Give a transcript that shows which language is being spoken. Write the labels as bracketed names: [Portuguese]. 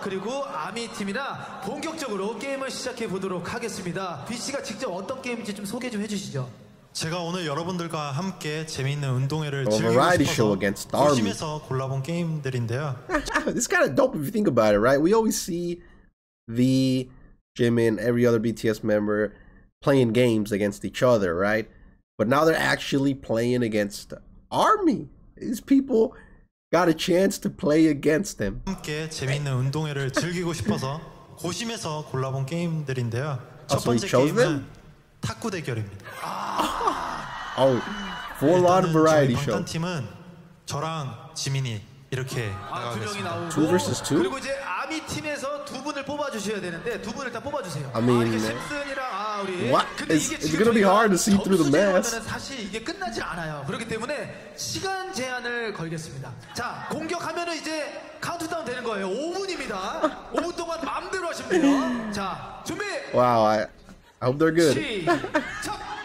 [Korean] 그리고 아미 팀이나 본격적으로 게임을 시작해 보도록 하겠습니다. B 씨가 직접 어떤 게임인지 좀 소개 좀 해주시죠. 제가 오늘 여러분들과 함께 재미있는 운동회를 즐기고 싶어서 열심히서 골라본 게임들인데요. [English] It's kind of dope if you think about it, right? We always see V, Jimin, every other BTS member playing games against each other, right? But now they're actually playing against ARMY. These people got a chance to play against them. [Korean] 함께 재미있는 운동회를 즐기고 싶어서 고심해서 골라본 게임들인데요. 첫 번째 게임은 탁구 대결입니다. [English] Oh, full on variety show. [Korean] 일단 팀은 저랑 지민이 이렇게 나가겠습니다. [English] 2 versus 2? [Korean] 그리고 이제 아미 팀에서 두 분을 뽑아주셔야 되는데 두 분을 다 뽑아주세요. [English] I mean, [Korean] 아, 이게 심슨이랑 아, 우리 [English] What? [Korean] 근데 이게 [English] it's gonna be hard to see through the mask. [Korean] 사실 이게 끝나질 않아요. 그렇기 때문에 시간 제한을 걸겠습니다. 자, 공격하면 이제 카운트다운 되는 거예요. 5분입니다. 5분 동안 마음대로 하시면 돼요. 자, 준비! [English] Wow, I hope they're good. [Korean] 시작!